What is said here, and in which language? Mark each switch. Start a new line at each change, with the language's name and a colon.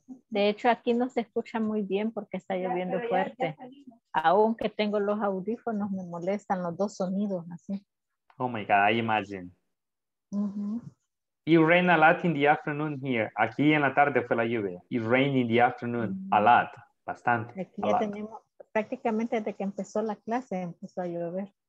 Spanish: De hecho, aquí no se escucha muy bien porque está lloviendo fuerte. Aunque tengo los audífonos, me molestan los dos sonidos así.
English: Oh my God, I imagine. Mm-hmm. It rained a lot in the afternoon here.
Spanish: Aquí en la tarde fue la lluvia.
English: It rained in the afternoon a lot.
Spanish: Bastante. Aquí ya tenemos prácticamente desde que empezó la clase empezó a llover.